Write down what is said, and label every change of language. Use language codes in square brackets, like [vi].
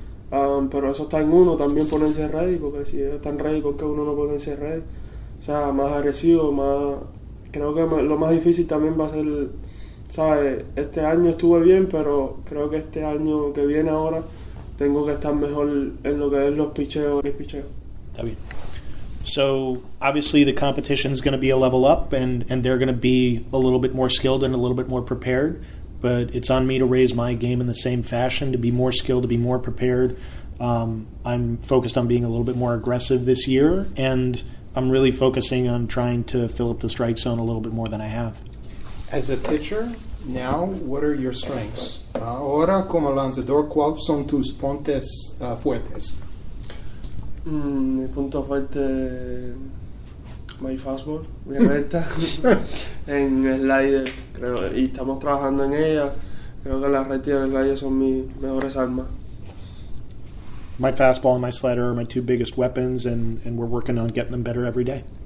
[es] Pero eso está en uno también ponerse ready, porque si están ready, ¿por qué uno no ponerse ready? O sea, más agresivo, más. Creo que lo más difícil también va a ser, ¿sabes? Este año estuve bien, pero creo que este año que viene ahora tengo que estar mejor en lo que es los picheos y picheos. Está bien. [en] So, obviously, the competition is going to be a level up, and they're going to be a little bit more skilled and a little bit more prepared. But it's on me to raise my game in the same fashion, to be more skilled, to be more prepared. I'm focused on being a little bit more aggressive this year, and I'm really focusing on trying to fill up the strike zone a little bit more than I have. As a pitcher, now, what are your strengths? [es] Ahora, como lanzador, ¿cuáles son tus puntos fuertes? Mi punto fuerte, [en] my fastball, [es] mi recta, en slider, creo, y estamos trabajando en ella. Creo que la recta y el slider son mis mejores armas. [en] My fastball and my slider are my two biggest weapons, and we're working on getting them better every day.